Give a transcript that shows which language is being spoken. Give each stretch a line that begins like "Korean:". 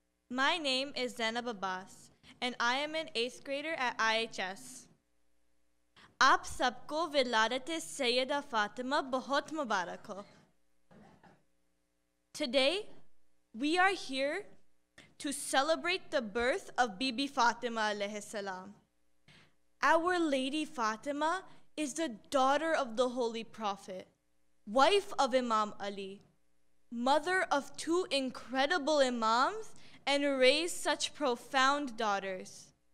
English: My name is Zainab Abbas, and I am an 8th grader at IHS.
Urdu: آپ سب کو ولادتِ سیدہ فاطمہ بہت مبارک ہو۔
English: Today, we are here to celebrate the birth of Bibi Fatima alayhi salam. Our Lady Fatima is the daughter of the Holy Prophet, wife of Imam Ali, mother of two incredible imams, and raised such profound daughters.